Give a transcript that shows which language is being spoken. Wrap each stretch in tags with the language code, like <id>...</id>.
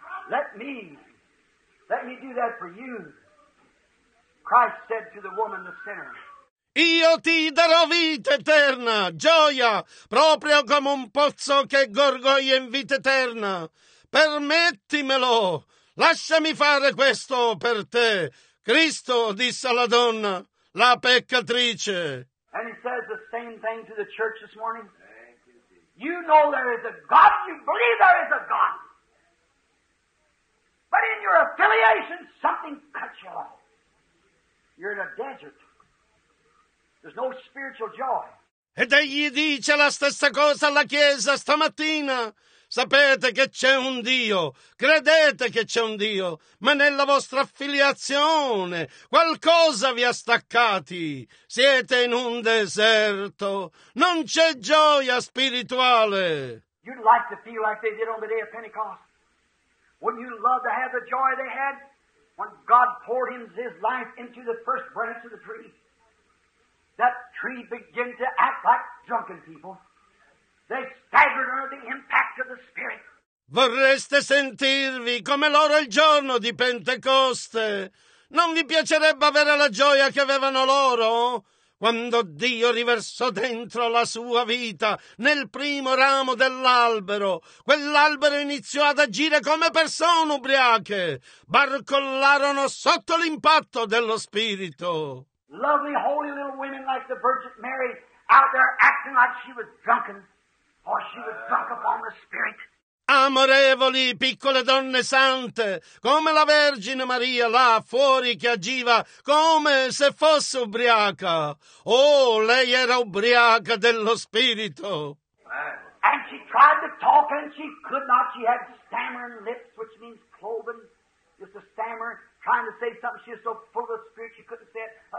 <en>Let me do that for you. Christ said to the woman, the sinner.</en> <it>Io ti darò vita eterna, gioia, proprio come un pozzo che gorgoglia in vita eterna. Permettimelo, lasciami fare questo per te. Cristo disse alla donna, la peccatrice.</it> <en>And he says the same thing to the church this morning. You know there is a God, you believe there is a God. But in your affiliation, something cuts you off. You're in a desert. There's no spiritual joy.</en> <it>Ed egli dice la stessa cosa alla Chiesa stamattina. Sapete che c'è un Dio, credete che c'è un Dio, ma nella vostra affiliazione qualcosa vi ha staccati. Siete in un deserto. Non c'è gioia spirituale.</it> <en>You'd like to feel like they did on the day of Pentecost. Wouldn't you love to have the joy they had when God poured his life into the first branch of the tree? That tree began to act like drunken people. They staggered under the impact of the Spirit.</en> <it>Vorreste sentirvi come loro il giorno di Pentecoste? Non vi piacerebbe avere la gioia che avevano loro? Quando Dio riversò dentro la sua vita nel primo ramo dell'albero, quell'albero iniziò ad agire come persone ubriache. Barcollarono sotto l'impatto dello Spirito.</it> <en>Lovely, holy little women like the Virgin Mary out there acting like she was drunken, or she was drunk upon the Spirit.</en> <it>Amorevoli piccole donne sante, come la Vergine Maria là fuori che agiva come se fosse ubriaca. Oh, lei era ubriaca dello Spirito.</it> <en>And she tried to talk and she could not. She had stammering lips, which means cloven, just a stammer, trying to say something. She was so full of the Spirit she couldn't say it.</en>